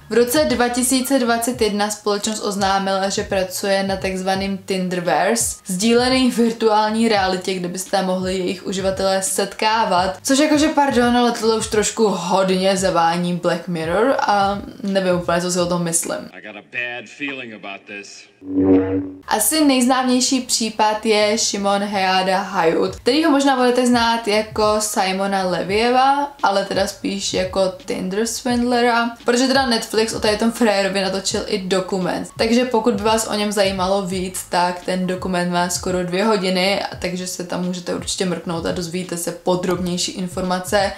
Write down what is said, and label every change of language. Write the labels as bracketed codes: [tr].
[cs] V roce 2021 společnost oznámila, že pracuje na takzvaném Tinderverse, sdílený virtuální realitě, kde byste mohli jejich uživatelé setkávat, což jakože pardon, ale tohle už trošku hodně zavání Black Mirror a nevím úplně, co si o tom myslím. [en] I got a bad feeling about this. [cs] Asi nejznámější případ je Shimon Heada Hayut, který ho možná budete znát jako Simona Levieva, ale teda spíš jako Tinder Swindlera, protože teda Netflix o tady tom frérovi natočil i dokument. Takže pokud by vás o něm zajímalo víc, tak ten dokument má skoro 2 hodiny, takže se tam můžete určitě mrknout a dozvíte se podrobnější informace.